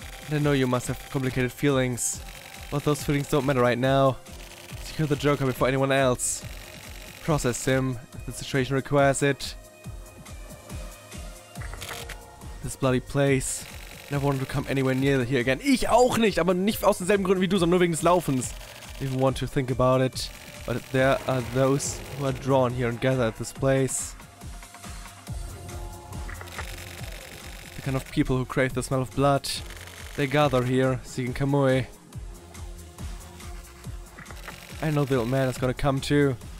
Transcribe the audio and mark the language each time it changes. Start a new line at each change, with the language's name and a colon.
English: And I know you must have complicated feelings. But those feelings don't matter right now. Secure the Joker before anyone else. Process him. If the situation requires it. This bloody place. never want to come anywhere near here again.
German: Ich auch nicht, aber nicht aus denselben Gründen wie du, sondern nur wegen des Laufens.
English: I even want to think about it. But there are those who are drawn here and gather at this place. The kind of people who crave the smell of blood. They gather here, seeking Kamui. I know the old man is gonna come too.